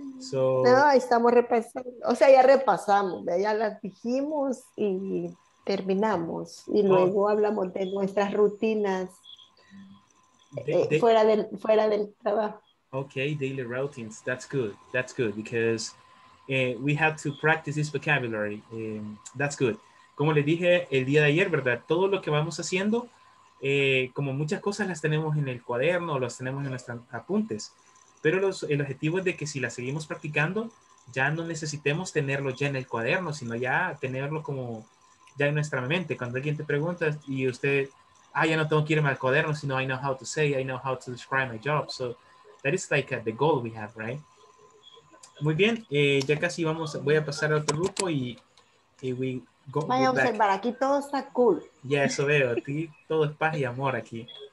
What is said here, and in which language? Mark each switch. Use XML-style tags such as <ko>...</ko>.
<es>No, estamos repasando. O sea, ya repasamos, ya las dijimos y terminamos. Y luego hablamos de nuestras rutinas fuera del trabajo.</es> <en>Okay, daily routines. That's good. That's good because we have to practice this vocabulary. That's good.</en> <es>Como les dije el día de ayer, ¿verdad? Todo lo que vamos haciendo, como muchas cosas las tenemos en el cuaderno, las tenemos en nuestros apuntes. Pero el objetivo es de que si las seguimos practicando, ya no necesitemos tenerlo ya en el cuaderno, sino ya tenerlo como ya en nuestra mente. Cuando alguien te pregunta y usted, ya no tengo que irme al cuaderno, sino</es> <en>I know how to say, I know how to describe my job. So, that is like the goal we have, right?</en> <es>Muy bien, ya casi vamos, voy a pasar a otro grupo y</es> <en>we go back.</en> <es>Vaya a observar, aquí todo está cool. Ya, eso veo, aquí todo es paz y amor aquí.</es>